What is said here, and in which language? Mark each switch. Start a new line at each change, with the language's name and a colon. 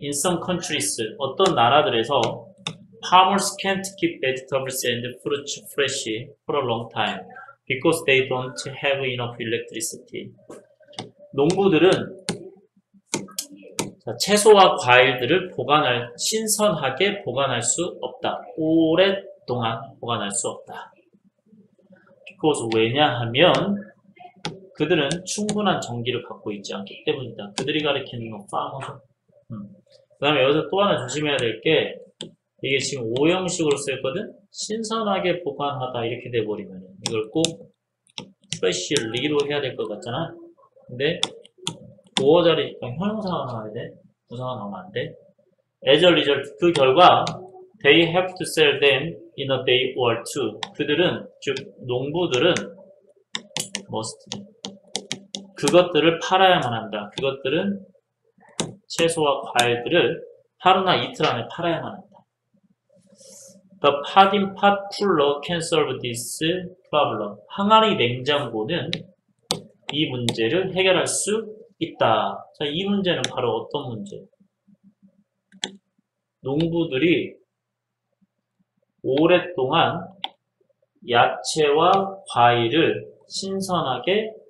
English: In some countries,
Korean: 어떤 나라들에서
English: Farmers can't keep vegetables and fruits fresh for a long time because they don't have enough electricity.
Korean: 농부들은 채소와 과일들을 신선하게 보관할 수 없다. 오랫동안 보관할 수 없다. Because 왜냐하면 그들은 충분한 전기를 갖고 있지 않기 때문이다. 그들이 가리키는 건 farmers. 그 다음에 여기서 또 하나 조심해야 될 게, 이게 지금 오형식으로 쓰였거든? 신선하게 보관하다 이렇게 돼버리면 이걸 꼭 freshly로 해야 될것 같잖아? 근데 보어 자리니까 형용사만 나와야 돼. 부사가 나오면 안 돼.
English: As a result,
Korean: 그 결과
English: they have to sell them in a day or two.
Korean: 그들은, 즉 농부들은 must 그것들을 팔아야만 한다. 그것들은 채소와 과일들을 하루나 이틀 안에 팔아야만 한다.
English: The pot in pot cooler can solve this problem.
Korean: 항아리 냉장고는 이 문제를 해결할 수 있다. 자, 이 문제는 바로 어떤 문제? 농부들이 오랫동안 야채와 과일을 신선하게